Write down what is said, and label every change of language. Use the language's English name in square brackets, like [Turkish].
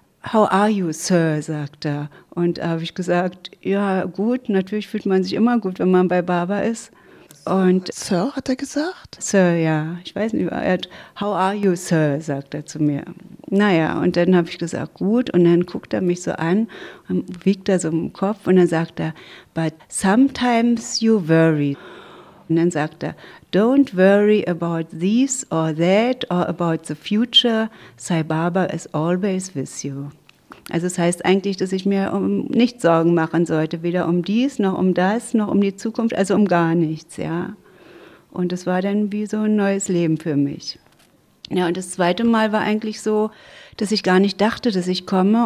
[English] How are you, Sir, [German] sagt er. Und da habe ich gesagt, ja, gut, natürlich fühlt man sich immer gut, wenn man bei Baba ist. Und Sir, hat er gesagt? Sir, ja, ich weiß nicht, er hat, [English] how are you, Sir, [German] sagt er zu mir. Naja, und dann habe ich gesagt, gut, und dann guckt er mich so an, wiegt er so im Kopf, und dann sagt er, [English] but sometimes you worry. [German] Und dann sagt er, [English] don't worry about this or that or about the future, Sai Baba is always with you. [German] Also es heißt eigentlich, dass ich mir um nichts Sorgen machen sollte, weder um dies, noch um das, noch um die Zukunft, also um gar nichts, ja. Und es war dann wie so ein neues Leben für mich. Ja, und das zweite Mal war eigentlich so, dass ich gar nicht dachte, dass ich komme.